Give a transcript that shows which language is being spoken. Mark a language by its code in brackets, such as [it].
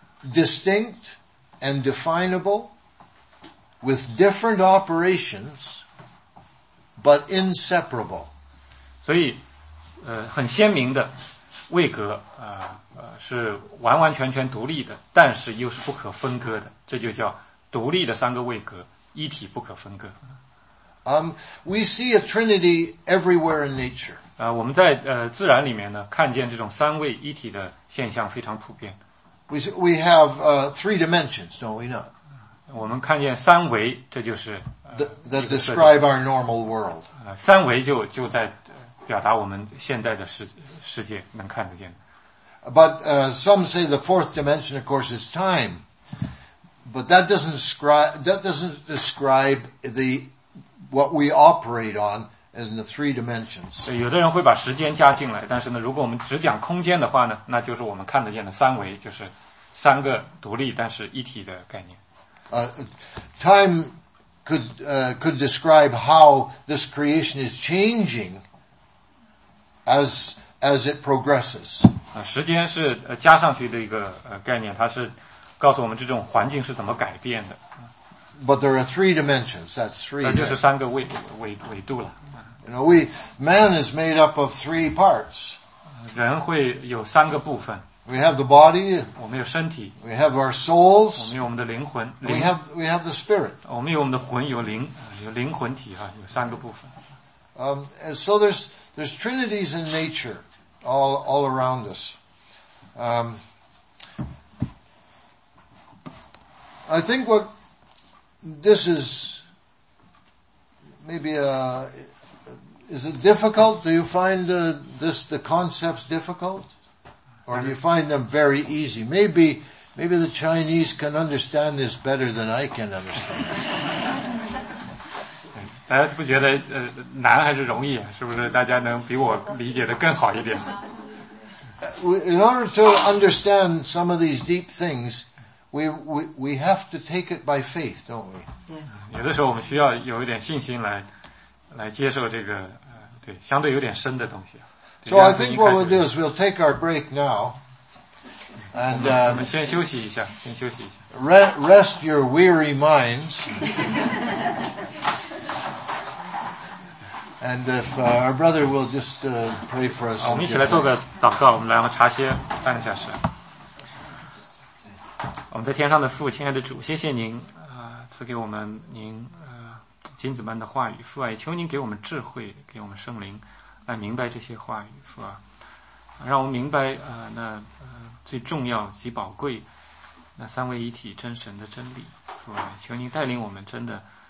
[en] Distinct and definable with different operations but inseparable. [zh] 所以很鲜明的位格是完完全全独立的但是又是不可分割的。这就叫独立的三个位格一体不可分割。 [en] We see a trinity everywhere in nature. [zh] 我们在自然里面呢看见这种三位一体的现象非常普遍。 [en] We have, three dimensions, don't we not? [zh] 我们看见三维这就是 [en] That describe our normal world. [zh] 三维就在表达我们现在的世界能看得见。 [en] But, some say the fourth dimension, of course, is time. But that doesn't describe what we operate on as in the three dimensions. [zh] 有的人会把时间加进来但是呢如果我们只讲空间的话呢那就是我们看得见的三维就是三个独立但是一体的概念。 [en] Time, could describe how this creation is changing as it progresses. [zh] 时间是加上去的一个概念它是告诉我们这种环境是怎么改变的。 [en] But there are three dimensions, that's three. [zh] 那就是三个维度了。 [en] You know, man is made up of three parts. [zh] 人会有三个部分。 [en] We have the body. [zh] 我们有身体。 [en] We have our souls. [zh] 我们有我们的灵魂。 [en] We have the spirit. [zh] 我们有我们的魂，有灵，有灵魂体哈，有三个部分。 [en] So there's trinities in nature all around us. I think what this is maybe is it difficult? Do you find this the concepts difficult? Or do you find them very easy? Maybe the Chinese can understand this better than I can understand. [zh] 大家不觉得难还是容易是不是大家能比我理解的更好一点 [en] In order to understand some of these deep things, we have to take it by faith, don't we? [zh] 有的时候我们需要有一点信心来接受这个对相对有点深的东西。 [en] So I think what we'll do is we'll take our break now. And, [zh] 我们先休息一下先休息一下。 [en] Rest your weary minds. And if, our brother will just, pray for us. [zh] 我们一起来做个祷告我们来我们茶歇半个小时。我们在天上的父，亲爱的主，谢谢您赐给我们您金子般的话语，父啊，也求您给我们智慧，给我们圣灵来明白这些话语，父啊，让我们明白最重要极宝贵那三位一体真神的真理，父啊，求您带领我们真的